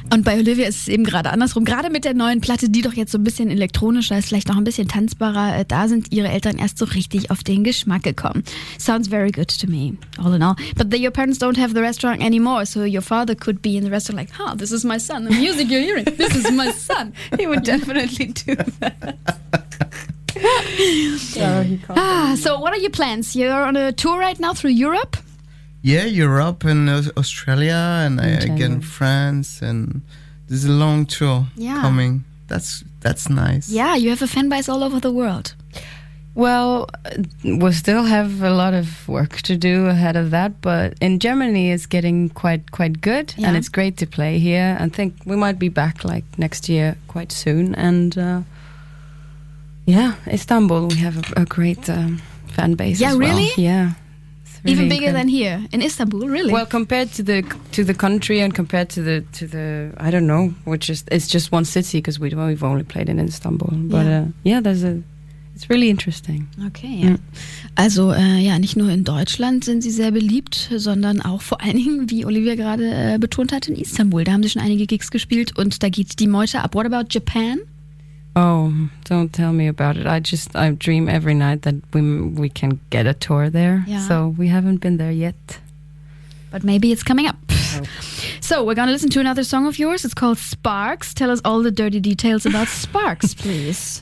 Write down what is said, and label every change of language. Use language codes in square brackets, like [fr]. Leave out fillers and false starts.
[de] Und bei Olivia ist es eben gerade andersrum. Gerade mit der neuen Platte, die doch jetzt so ein bisschen elektronischer ist, vielleicht noch ein bisschen tanzbarer, da sind ihre Eltern erst so richtig auf den Geschmack gekommen. [en] Sounds very good to me, all in all. But your parents don't have the restaurant anymore, so your father could be in the restaurant like, oh, this is my son, the music you're hearing, this is my son. He would definitely do that. So what are your plans? You're on a tour right now through Europe? Yeah, Europe and Australia and again France, and there's a long tour coming. That's nice. Yeah, you have a fan base all over the world. Well, we still have a lot of work to do ahead of that, but in Germany it's getting quite good, and it's great to play here. I think we might be back like next year quite soon, and Istanbul, we have a great fan base. Yeah, as well. Really? Yeah. Really even bigger incredible. Than here in Istanbul, really. Well, compared to the country and compared to the I don't know, which is it's just one city because we've only played in Istanbul. But it's really interesting. Okay. Yeah. [de] Also nicht nur in Deutschland sind sie sehr beliebt, sondern auch vor allen Dingen, wie Olivia gerade betont hat, in Istanbul. Da haben sie schon einige Gigs gespielt und da geht die Meute ab. [en] What about Japan? Oh, don't tell me about it. I dream every night that we can get a tour there. Yeah. So we haven't been there yet. But maybe it's coming up. So we're going to listen to another song of yours. It's called Sparks. Tell us all the dirty details about Sparks, please.